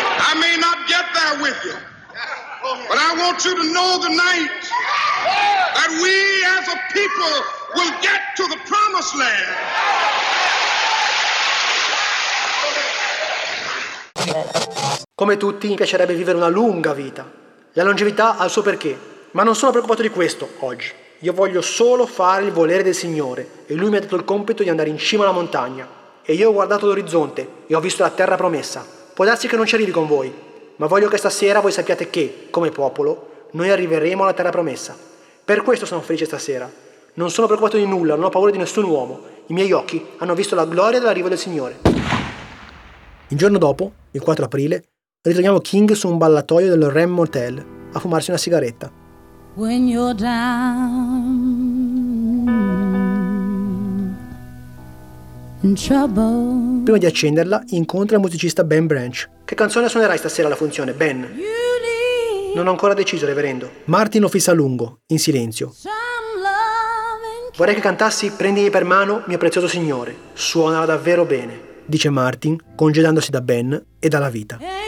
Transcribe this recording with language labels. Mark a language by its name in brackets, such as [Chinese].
[English] I may not get there with you. But I want you to know tonight that we as a people will get to the promised land. [Italian] Come tutti, mi piacerebbe vivere una lunga vita. La longevità ha il suo perché. Ma non sono preoccupato di questo oggi. Io voglio solo fare il volere del Signore. E Lui mi ha dato il compito di andare in cima alla montagna. E io ho guardato l'orizzonte e ho visto la terra promessa. Può darsi che non ci arrivi con voi. Ma voglio che stasera voi sappiate che, come popolo, noi arriveremo alla terra promessa. Per questo sono felice stasera. Non sono preoccupato di nulla, non ho paura di nessun uomo. I miei occhi hanno visto la gloria dell'arrivo del Signore. Il giorno dopo, il 4 aprile, ritroviamo King su un ballatoio del Rem Motel a fumarsi una sigaretta. [English] When you're down in trouble. [Italian] Prima di accenderla, incontra il musicista Ben Branch. Che canzone suonerai stasera alla funzione, Ben? Non ho ancora deciso, reverendo. Martin lo fissa a lungo, in silenzio. Vorrei che cantassi Prendimi per mano, mio prezioso signore. Suona davvero bene, dice Martin, congedandosi da Ben e dalla vita.